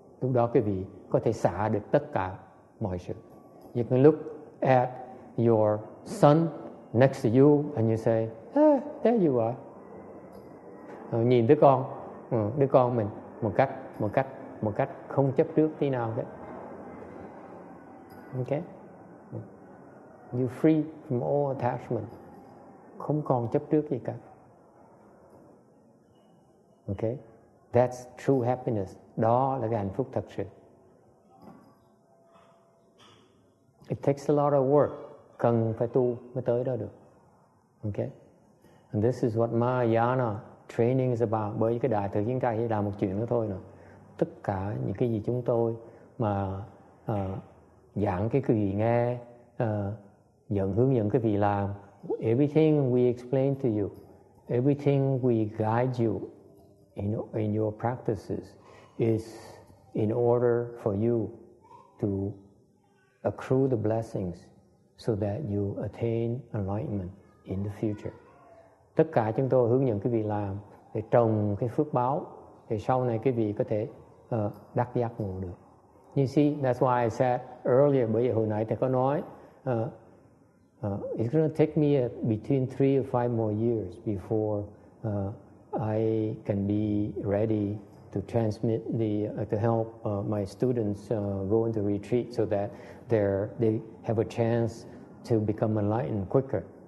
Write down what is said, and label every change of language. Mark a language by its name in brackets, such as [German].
[Vietnamese] Lúc đó quý vị có thể xả được tất cả mọi sự. [English] You can look at your son next to you and you say, ah, there you are. [Vietnamese] Nhìn đứa con mình một cách không chấp trước tí nào đấy. [English] Okay. You free from all attachment. [Vietnamese] Không còn chấp trước gì cả. [English] Okay. That's true happiness. [Vietnamese] Đó là cái hạnh phúc thật sự. [English] It takes a lot of work. [Vietnamese] Cần phải tu mới tới đó được. [English] Okay. And this is what Mahayana training is about. [Vietnamese] Bởi cái đại thừa chúng ta chỉ làm một chuyện đó thôi nè. Tất cả những cái gì chúng tôi mà giảng cái quý vị nghe, dẫn hướng dẫn cái vị làm, [English] everything we explain to you, everything we guide you in your practices is in order for you to accrue the blessings so that you attain enlightenment in the future. [Vietnamese] Tất cả chúng tôi hướng dẫn cái vị làm để trồng cái phước báo để sau này cái vị có thể đắc giác ngộ được. [English] You see, that's why I said earlier, [Vietnamese] bởi vì hồi nãy thầy có nói, [English] it's going to take me between 3 or 5 more years before I can be ready to transmit the to help my students go into retreat so that they have a chance to become enlightened quicker.